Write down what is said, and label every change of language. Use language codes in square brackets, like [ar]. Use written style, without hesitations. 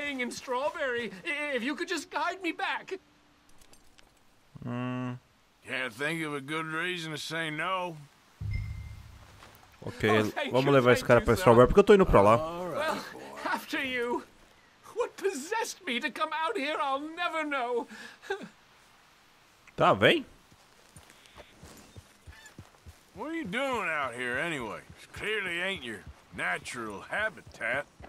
[en] Strawberry, if you could just guide me back. Can't think of a good reason to say no. [pt] Okay, vamos levar esse cara para Strawberry porque eu tô indo para lá. [en] Well, after you. What possessed me to come out here, I'll never know. [pt] Tá, vem. [en] What are you doing out here anyway? It clearly ain't your natural habitat.